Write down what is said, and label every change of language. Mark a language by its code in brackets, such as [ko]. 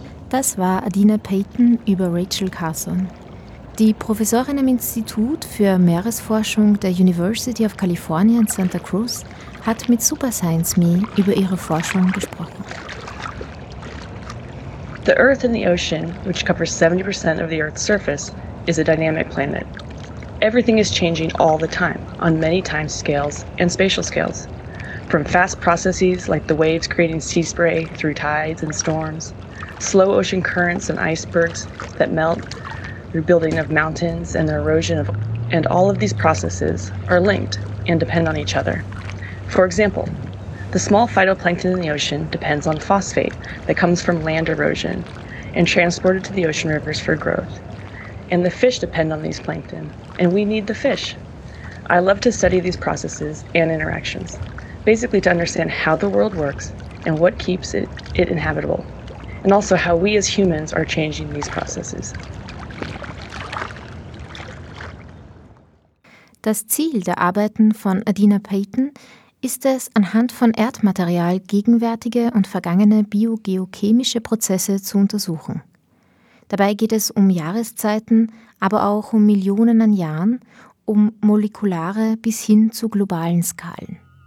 [de] Das war Adina Payton über Rachel Carson. Die Professorin am Institut für Meeresforschung der University of California in Santa Cruz hat mit Super Science Me über ihre Forschung gesprochen. [en] The Earth and the ocean, which covers 70% of the Earth's surface, is a dynamic planet. Everything is changing all the time, on many time scales and spatial scales. From fast processes like the waves creating sea spray through tides and storms, slow ocean currents and icebergs that melt, rebuilding of mountains and the erosion of, and all of these processes are linked and depend on each other. For example, The small phytoplankton in the ocean depends on phosphate that comes from land erosion and transported to the ocean rivers for growth. And the fish depend on these plankton, and we need the fish. I love to study these processes and interactions, basically to understand how the world works and what keeps it inhabitable, and also how we as humans are changing these processes. [de] Das Ziel der Arbeiten von Adina Payton ist es, anhand von Erdmaterial gegenwärtige und vergangene biogeochemische Prozesse zu untersuchen. Dabei geht es um Jahreszeiten, aber auch um Millionen an Jahren, um molekulare bis hin zu globalen Skalen.